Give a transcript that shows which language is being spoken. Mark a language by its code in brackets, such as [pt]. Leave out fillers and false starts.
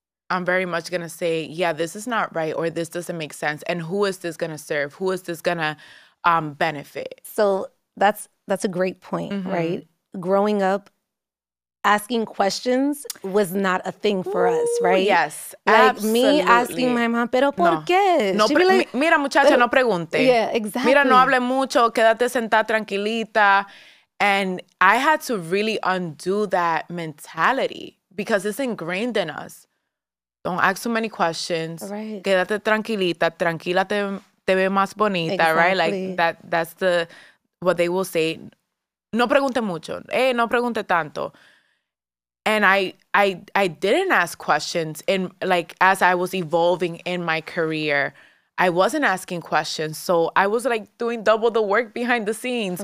[en] I'm very much gonna say, yeah, this is not right, or this doesn't make sense. And who is this gonna serve? Who is this gonna benefit? So that's a great point, mm-hmm. right? Growing up, asking questions was not a thing for us, right? Ooh, yes, like absolutely. Me asking my mom, [es] pero por qué? [en] No, she'd be like, [es] mira muchacha, no pregunte. [en] Yeah, exactly. [es] Mira, no hable mucho, quédate sentada tranquilita. [en] And I had to really undo that mentality because it's ingrained in us. Don't ask too many questions. Right. [es] Quédate tranquilita, tranquila te ve más bonita, [en] exactly. Right? Like that's the what they will say. [es] No pregunte mucho. No pregunte tanto. [en] And I didn't ask questions in, like, as I was evolving in my career, I wasn't asking questions. So I was like doing double the work behind the scenes,